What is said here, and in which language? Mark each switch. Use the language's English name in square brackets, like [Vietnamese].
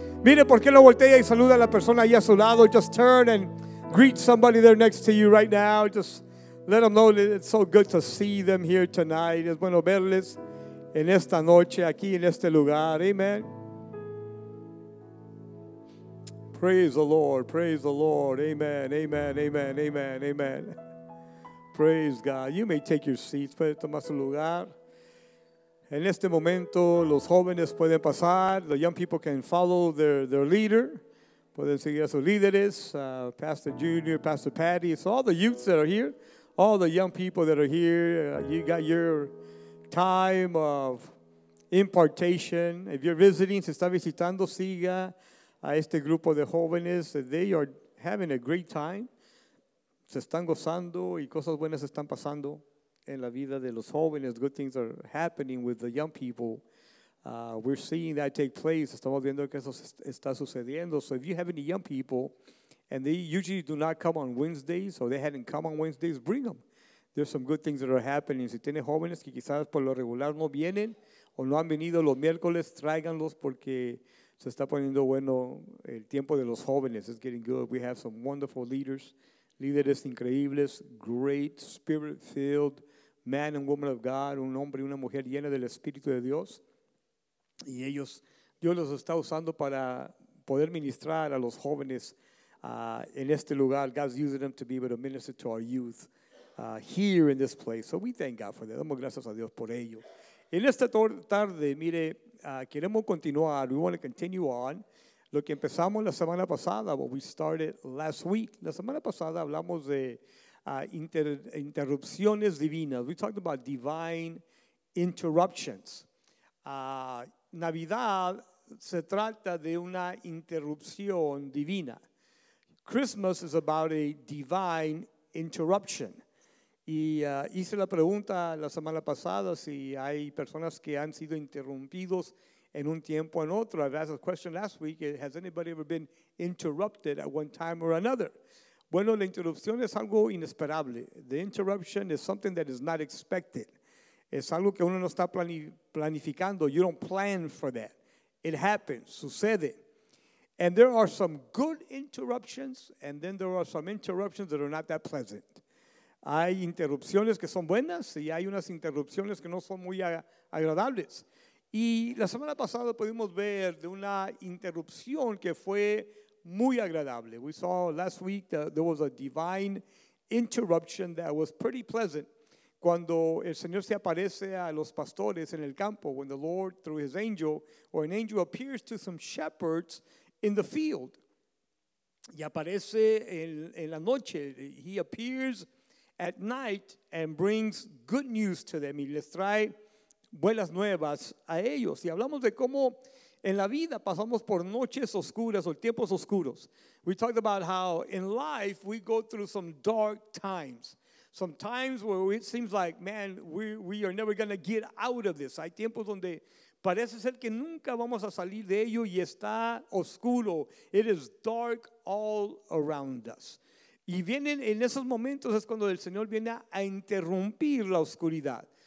[Spanish] Mire, ¿por qué no voltea y saluda a la persona ahí a su lado? [English] Just turn and greet somebody there next to you right now. Just let them know that it's so good to see them here tonight. [Spanish] Es bueno verles en esta noche aquí en este lugar. [English] Amen. Praise the Lord. Praise the Lord. Amen. Amen. Amen. Amen. Amen. Praise God. You may take your seats. [Spanish] Puede tomar su lugar. En este momento, los jóvenes pueden pasar. [English] The young people can follow their leader. [Spanish] Pueden seguir a sus líderes. [English] Pastor Junior, Pastor Patty. So all the youths that are here, all the young people that are here, you got your time of impartation. If you're visiting, [Spanish] si está visitando, siga a este grupo de jóvenes. [English] They are having a great time. [Spanish] Se están gozando y cosas buenas están pasando en la vida de los jóvenes. [English] Good things are happening with the young people. We're seeing that take place. [Spanish] Estamos viendo que eso está sucediendo. [English] So if you have any young people and they usually do not come on Wednesdays or they hadn't come on Wednesdays, bring them. There's some good things that are happening. [Spanish] Si tiene jóvenes que quizás por lo regular no vienen o no han venido los miércoles, tráiganlos porque se está poniendo bueno el tiempo de los jóvenes. [English] It's getting good. We have some wonderful leaders. [Spanish] Líderes increíbles, [English] great, spirit-filled man and woman of God, [Spanish] un hombre y una mujer llena del Espíritu de Dios. Y ellos, Dios los está usando para poder ministrar a los jóvenes en este lugar. [English] God's using them to be able to minister to our youth here in this place. So we thank God for that. [Spanish] Damos gracias a Dios por ello. En esta tarde, mire, queremos continuar. [English] We want to continue on. [Spanish] Lo que empezamos la semana pasada, [English] what we started last week. [Spanish] La semana pasada hablamos de interrupciones divinas. [English] We talked about divine interruptions. [Spanish] Navidad se trata de una interrupción divina. [English] Christmas is about a divine interruption. [Spanish] Y hice la pregunta la semana pasada si hay personas que han sido interrumpidos en un tiempo en otro. [English] I've asked a question last week. Has anybody ever been interrupted at one time or another? [Spanish] Bueno, la interrupción es algo inesperable. [English] The interruption is something that is not expected. [Spanish] Es algo que uno no está planificando. [English] You don't plan for that. It happens. [Spanish] Sucede. [English] And there are some good interruptions, and then there are some interruptions that are not that pleasant. [Spanish] Hay interrupciones que son buenas, y hay unas interrupciones que no son muy agradables. Y la semana pasada pudimos ver de una interrupción que fue muy agradable. [English] We saw last week that there was a divine interruption that was pretty pleasant. [Spanish] Cuando el Señor se aparece a los pastores en el campo, [English] when the Lord through his angel or an angel appears to some shepherds in the field. [Spanish] Y aparece en la noche. [English] He appears at night and brings good news to them. [Spanish] Y les trae buenas nuevas a ellos. Y hablamos de cómo en la vida pasamos por noches oscuras o tiempos oscuros. [English] We talked about how in life we go through some dark times. Some times where it seems like, man, we are never going to get out of this. [Spanish] Hay tiempos donde parece ser que nunca vamos a salir de ello y está oscuro. [English] It is dark all around us. [Spanish] Y vienen en esos momentos es cuando el Señor viene a interrumpir la oscuridad.